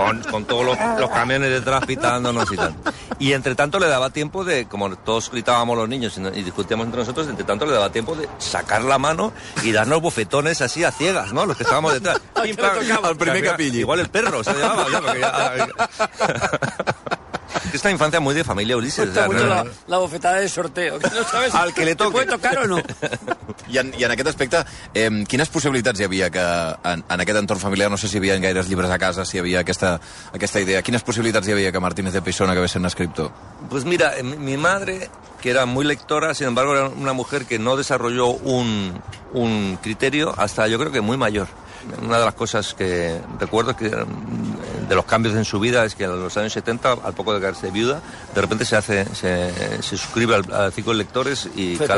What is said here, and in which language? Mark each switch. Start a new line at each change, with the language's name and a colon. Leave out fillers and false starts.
Spanish: Con todos los camiones detrás pitándonos y tal. Y entre tanto le daba tiempo de, como todos gritábamos los niños y discutíamos entre nosotros, entre tanto le daba tiempo de sacar la mano y darnos bofetones así a ciegas, ¿no? Los que estábamos detrás. Pim, pam, al primer capillo. Igual el perro se llamaba. Ya, porque ya, esta infancia muy de familia, Ulises. Está mucho la bofetada de sorteo. Que no sabes al que le toque. Te puede tocar o no.
Catalan: I en aquest aspecte, quines possibilitats hi havia que en aquest entorn familiar, no sé si hi havia gaires llibres a casa, si hi havia aquesta idea, quines possibilitats hi havia que Martínez de Pessona acabés sent escriptor?
Spanish: Pues mira, mi madre, que era muy lectora, sin embargo era una mujer que no desarrolló un criterio hasta yo creo que muy mayor. Una de las cosas que recuerdo es que de los cambios en su vida es que en los años 70, al poco de quedarse viuda, de repente se suscribe al círculo de lectores y